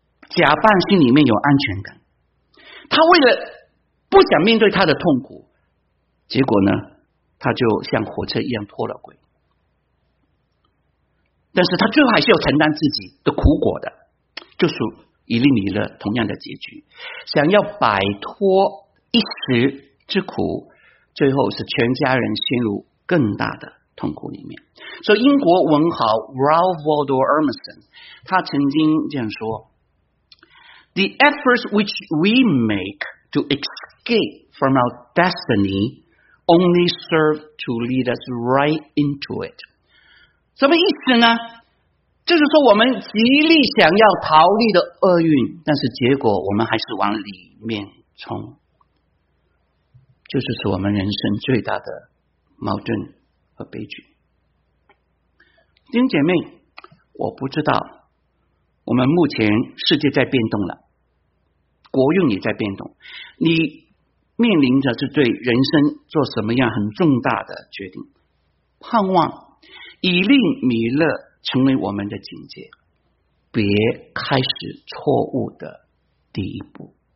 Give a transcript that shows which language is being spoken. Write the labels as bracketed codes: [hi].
[zh] 假扮心里面有安全感，他为了不想面对他的痛苦，结果呢他就像火车一样脱了轨，但是他最后还是要承担自己的苦果的，就是以利米勒同样的结局，想要摆脱一时之苦，最后是全家人陷入更大的痛苦里面。所以英国文豪 [en] Ralph Waldo Emerson [zh] 他曾经这样说， [en] The efforts which we make to escape from our destinyOnly serve to lead us right into it. [zh] 什么意思呢？就是说我们极力想要逃离的厄运，但是结果我们还是往里面冲，就是我们人生最大的矛盾和悲剧。弟兄姐妹，我不知道我们目前世界在变动了，国运也在变动，你面临着是对人生做什么样很重大的决定，盼望以利米勒成为我们的警戒，别开始错误的第一步，